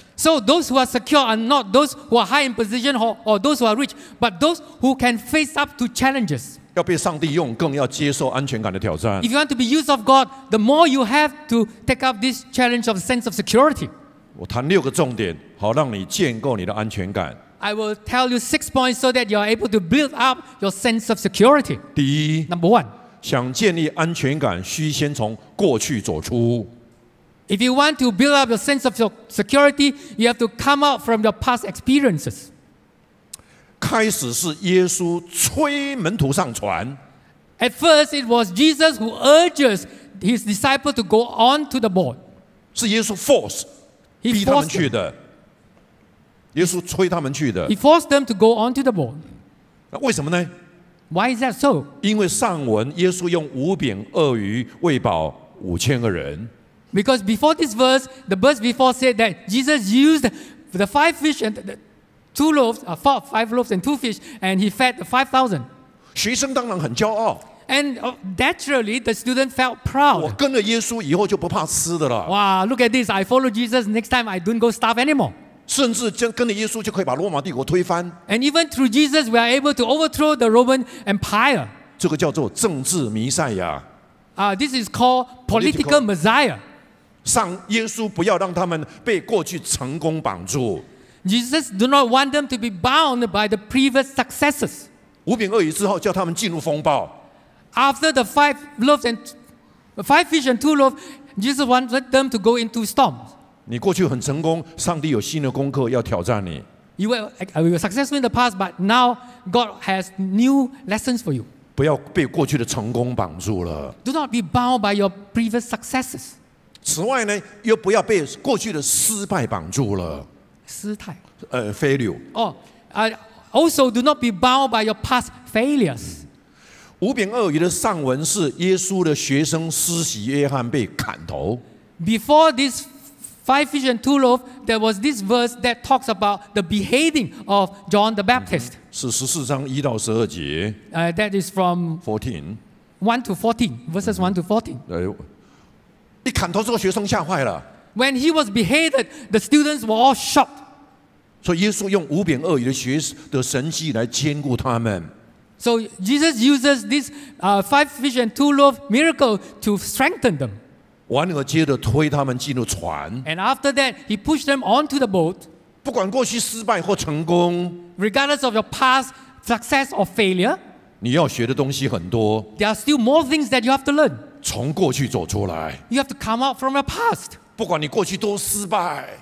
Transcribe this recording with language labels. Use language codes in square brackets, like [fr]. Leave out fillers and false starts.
[en] So those who are secure are not those who are high in position or those who are rich, but those who can face up to challenges. [zh] 要被上帝用，更要接受安全感的挑战。 [en] If you want to be used of God, the more you have to take up this challenge of sense of security. [zh] 我谈六个重点，好让你建构你的安全感。 [en] I will tell you six points so that you are able to build up your sense of security. [zh] 第一 [en] ，Number one. [zh] 想建立安全感，需先从过去走出。 [en] If you want to build up your sense of your security, you have to come out from your past experiences. [zh] 开始是耶稣催门徒上船。 [en] At first, it was Jesus who urges his disciples to go on to the boat. [zh] 是耶稣 force 逼他们去的。耶稣催他们去的。 [en] He forced them to go on to the boat. [zh] 那为什么呢？ [en] Why is that so? [zh] 因为上文耶稣用五饼二鱼喂饱五千个人。 [en] Because before this verse, the verse before said that Jesus used the five fish and the two loaves, five loaves and two fish, and he fed 5,000. [zh] 学生当然很骄傲。 [en] And naturally, the student felt proud. [zh] 我跟了耶稣以后就不怕吃的了。 [en] Wow, look at this! I follow Jesus. Next time, I don't go starve anymore. [zh] 甚至跟着耶稣就可以把罗马帝国推翻。 [en] And even through Jesus, we are able to overthrow the Roman Empire. [zh] 这个叫做政治弥赛亚。 [en] This is called political Messiah. [zh] 上耶稣不要让他们被过去成功绑住。 [en] Jesus do not want them to be bound by the previous successes. [zh] 五饼二鱼之后，叫他们进入风暴。 [en] After the five loaves and five fish and two loaves, Jesus wanted them to go into storms. [zh] 你过去很成功，上帝有新的功课要挑战你。 [en] You were successful in the past, but now God has new lessons for you. [zh] 不要被过去的成功绑住了。 [en] Do not be bound by your previous successes. [zh] 此外呢，又不要被过去的失败绑住了。失态。 [en] Failure. Oh, also do not be bound by your past failures. [zh] 五饼二鱼的上文是耶稣的学生施洗约翰被砍头。 [en] Before this five fish and two loaves, there was this verse that talks about the beheading of John the Baptist. [zh] 是十四章一到十二节。 [en] That is from 14. 1 to 14, verses 1 to 14. [zh] 一砍头之后，学生吓坏了。 [en] When he was beheaded, the students were all shocked. [zh] 所以耶稣用五饼二鱼的学的神迹来坚固他们。 [en] So Jesus uses this five fish and two loaves miracle to strengthen them. [zh] 完了，接着推他们进入船。 [en] And after that, he pushed them onto the boat. [zh] 不管过去失败或成功。 [en] Regardless of your past success or failure. [zh] 你要学的东西很多。 [en] There are still more things that you have to learn. [zh] 从过去走出来。 [en] You have to come out from your past. [zh] 不管你过去多失败。